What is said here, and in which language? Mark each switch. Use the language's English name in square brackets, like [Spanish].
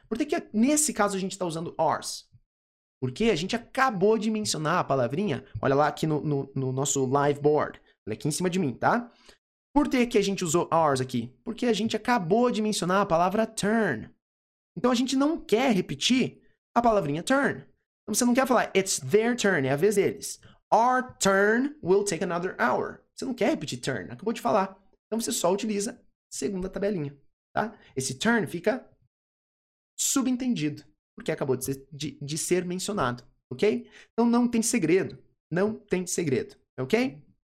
[Portuguese] Por que que nesse caso a gente está usando ours? Porque a gente acabou de mencionar a palavrinha, olha lá aqui no nosso live board, olha aqui em cima de mim, tá? Por que que a gente usou ours aqui? Porque a gente acabou de mencionar a palavra turn. Então a gente não quer repetir a palavrinha turn. Então você não quer falar [English] it's their turn, [Portuguese] é a vez deles. [English] Our turn will take another hour. [Portuguese] Você não quer repetir turn, acabou de falar. Então você só utiliza segunda tabelinha, tá? Esse turn fica subentendido, porque acabou de ser mencionado, ok? Então não tem segredo, não tem segredo, ok?